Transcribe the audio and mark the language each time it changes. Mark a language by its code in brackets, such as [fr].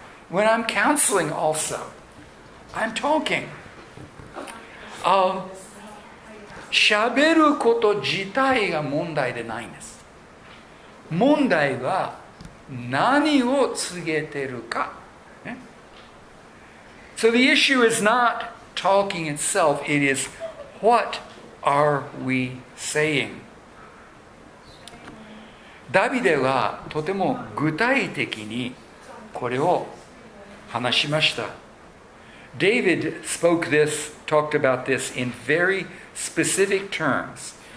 [en] When I'm counseling also, I'm talking. [ja] 喋ること自体が問題でないんです。問題は何を告げてるか。 [en] So the issue is not talking itself, it is what are we saying? [ja] ダビデはとても具体的にこれを話しました。 [en] David spoke this, talked about this in very specific terms.